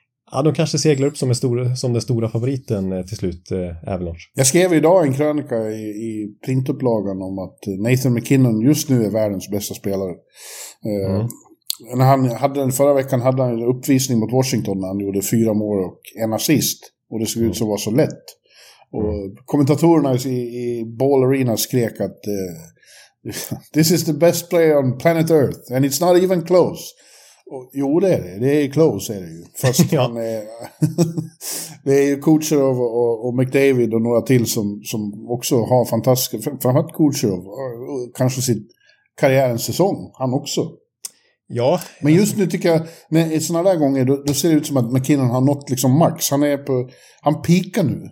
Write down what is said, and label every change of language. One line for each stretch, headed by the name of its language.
Swedish: Ja, de kanske seglar upp som den stora favoriten till slut, Avalanche. Jag skrev idag en krönika i printupplagan om att Nathan McKinnon just nu är världens bästa spelare. När han hade den förra veckan hade han en uppvisning mot Washington när han gjorde 4 mål och en assist. Och det såg ut som var så lätt. Och kommentatorerna i Ball Arena skrek att
English: this is the best player on planet Earth and it's not even close.
Swedish: Jo, det är det. Det är close, är det ju. Fast han är... det är ju Kucherov och McDavid och några till som också har fantastiska... Framförallt Kucherov. Kanske sitt karriärens säsong. Han också. Ja. Men just nu tycker jag... När, i sådana där gånger, då ser det ut som att McKinnon har nått liksom max. Han är på... Han peakar nu.